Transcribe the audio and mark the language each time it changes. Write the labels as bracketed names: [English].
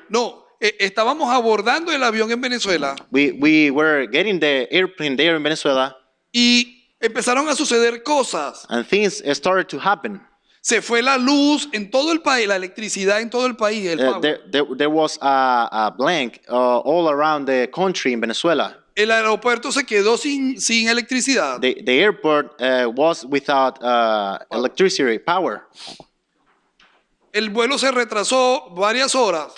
[Spanish] no, estábamos abordando el avión en Venezuela. [English] We were getting the airplane there in Venezuela. [Spanish] Y empezaron a suceder cosas. [English] And things started to happen. [Spanish] Se fue la luz en todo el país, la electricidad en todo el país. El [English] there was a blank all around the country in Venezuela. [Spanish] El aeropuerto se quedó sin electricidad. [English] The airport was without electricity power. [Spanish] El vuelo se retrasó varias horas.